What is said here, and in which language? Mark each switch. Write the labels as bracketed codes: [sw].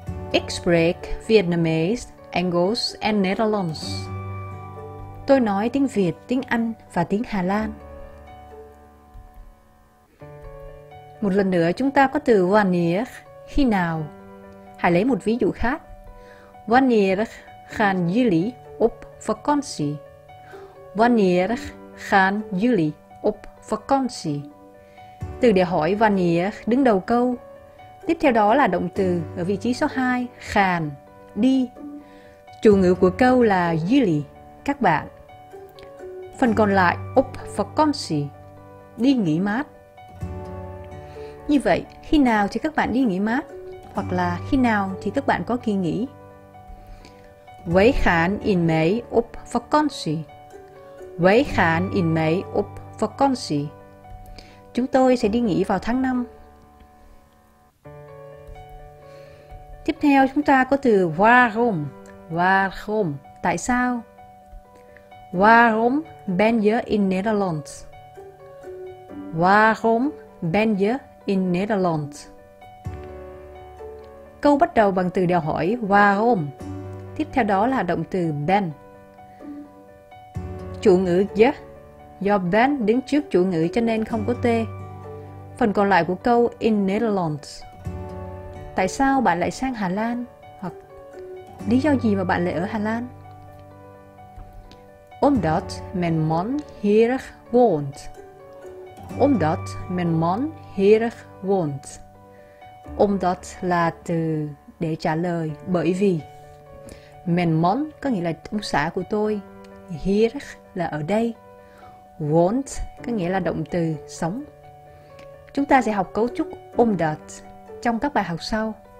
[nl] Ik spreek Vietnamese, Engels and Netherlands. [vi] Tôi nói tiếng Việt, tiếng Anh và tiếng Hà Lan. Một lần nữa chúng ta có từ wanneer, khi nào. Hãy lấy một ví dụ khác. [nl] Wanneer gaan jullie op vakantie? Wanneer gaan jullie op vakantie? [vi] Từ để hỏi wanneer đứng đầu câu. Tiếp theo đó là động từ ở vị trí số 2, gaan, đi. Chủ ngữ của câu là jullie, các bạn. Phần còn lại [nl] op vakantie, [vi] đi nghỉ mát. Như vậy, khi nào thì các bạn đi nghỉ mát? Hoặc là khi nào thì các bạn có kỳ nghỉ? [nl] Wij gaan in mei op vakantie. Wij gaan in mei op vakantie. [vi] Chúng tôi sẽ đi nghỉ vào tháng 5. Tiếp theo chúng ta có từ waarom. [nl] Waarom? [vi] Tại sao? [nl] Waarom ben je in Nederland? Waarom ben je in Netherlands? [vi] Câu bắt đầu bằng từ đều hỏi waarom. Tiếp theo đó là động từ ben. Chủ ngữ je. Do ben đứng trước chủ ngữ cho nên không có t. Phần còn lại của câu [nl] in Netherlands. [vi] Tại sao bạn lại sang Hà Lan? Hoặc lý do gì mà bạn lại ở Hà Lan? [nl] Omdat mijn man hier woont. Omdat mijn man hier woont. [vi] Omdat là từ để trả lời, bởi vì. [nl] Mijn man [vi] có nghĩa là ông xã của tôi. Hier là ở đây. Woont có nghĩa là động từ, sống. Chúng ta sẽ học cấu trúc omdat trong các bài học sau.